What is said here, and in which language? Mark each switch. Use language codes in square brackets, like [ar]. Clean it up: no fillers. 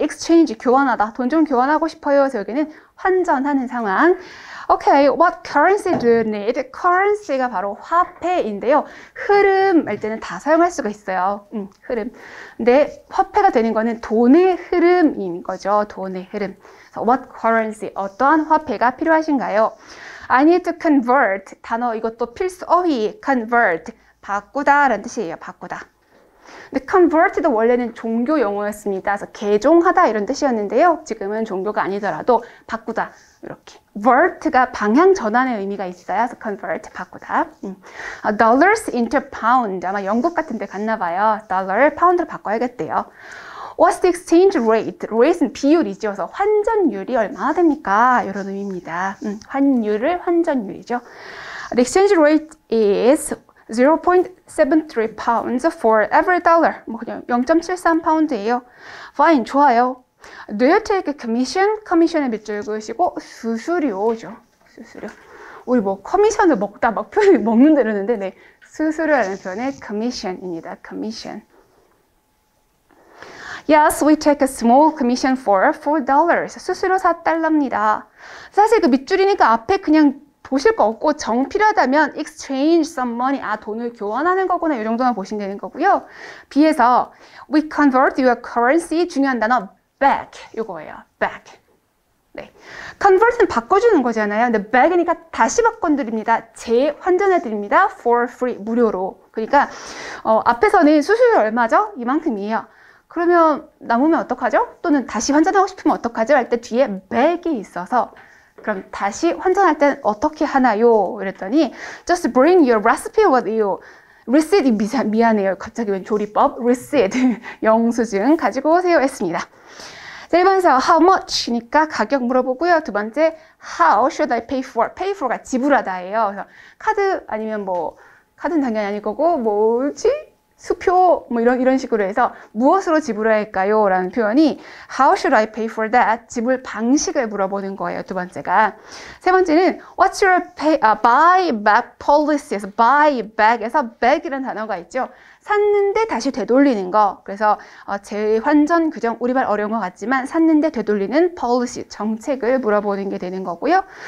[ko] Exchange, 교환하다. 돈좀 교환하고 싶어요. 그래서 여기는 환전하는 상황. [en] Okay, what currency do you need? [ko] Currency가 바로 화폐인데요. 흐름 할 때는 다 사용할 수가 있어요. 흐름. 근데 화폐가 되는 거는 돈의 흐름인 거죠. 돈의 흐름. [en] So what currency? [ko] 어떠한 화폐가 필요하신가요? [en] I need to convert. [ko] 단어 이것도 필수 어휘. [en] Convert. [ko] 바꾸다라는 뜻이에요. 바꾸다. 근데 convert도 원래는 종교 용어였습니다. 그래서 개종하다 이런 뜻이었는데요. 지금은 종교가 아니더라도 바꾸다. 이렇게. vert가 방향 전환의 의미가 있어요. 그래서 convert, 바꾸다. [en] dollars into pound. [ko] 아마 영국 같은 데 갔나 봐요. dollar, pound로 바꿔야겠대요. [en] What's the exchange rate? [ko] rate는 비율이죠. 그래서 환전율이 얼마나 됩니까? 이런 의미입니다. 환율을 환전율이죠. [en] The exchange rate is 0.73 pounds for every dollar. [ko] 뭐 그냥 0.73 파운드예요. Fine, 좋아요. [en] Do you take a commission? [ko] Commission의 밑줄 그으시고 수수료죠. 수수료. 우리 뭐 커미션을 먹다 막 표현이 먹는다 이러는데 네. 수수료라는 표현의 commission입니다. [en] Commission. Yes, we take a small commission for $4. [ko] 수수료 $4입니다. 사실 그 밑줄이니까 앞에 그냥 보실 거 없고 정 필요하다면 [en] exchange some money, [ko] 아 돈을 교환하는 거구나 이 정도만 보시면 되는 거고요. B에서 [en] we convert your currency, [ko] 중요한 단어 [en] back [ko] 이거예요. [en] back. [ko] 네, convert은 바꿔주는 거잖아요. 근데 back이니까 다시 바꿔드립니다. 재환전해드립니다. [en] for free, [ko] 무료로. 그러니까 앞에서는 수수료 얼마죠? 이만큼이에요. 그러면 남으면 어떡하죠? 또는 다시 환전하고 싶으면 어떡하죠? 할 때 뒤에 back이 있어서 그럼 다시 환전할 땐 어떻게 하나요? 이랬더니 [en] just bring your recipe with you. [ko] receipt, 미안해요. 갑자기 웬 조리법? receipt, 영수증 가지고 오세요 했습니다. 자, 이번에서 how much니까 가격 물어보고요. 두 번째, [en] how should I pay for? [ko] pay for가 지불하다예요. 그래서 카드 아니면 뭐 카드는 당연히 아닐 거고 뭐지? 수표 뭐 이런 식으로 해서 무엇으로 지불해야 할까요? 라는 표현이 [en] how should I pay for that? [ko] 지불 방식을 물어보는 거예요. 두 번째가 세 번째는 [en] what's your buy back policy [ko] 에서 buy back에서 back이라는 단어가 있죠. 샀는데 다시 되돌리는 거. 그래서 재환전 규정 우리말 어려운 것 같지만 샀는데 되돌리는 policy 정책을 물어보는 게 되는 거고요.